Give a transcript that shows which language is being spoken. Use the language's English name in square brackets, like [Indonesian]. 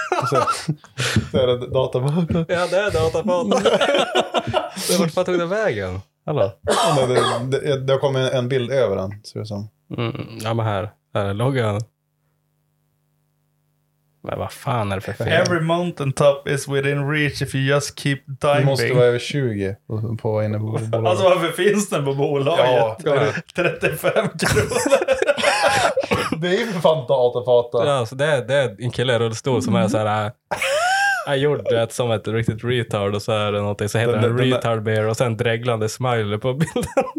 [Swedish] Så är det datapart. Ja, det är datapart. Vart fan tog den vägen? Ja, men det har kommit en bild över den, ser det som. Mm, ja, men här är loggan. Men vad fan är det för fel? [English] Every mountaintop is within reach if you just keep diving. [Swedish] Du måste vara över 20 på inne på bolaget. Alltså varför finns den på bolaget? Ja, 35 kronor. Det är ju för fan datafata. Ja, alltså det är en kille i rullstol som är så här. Jag gjorde det som ett riktigt retard och så är det någonting. Så heter den retard bear och sen dräglande smile på bilden.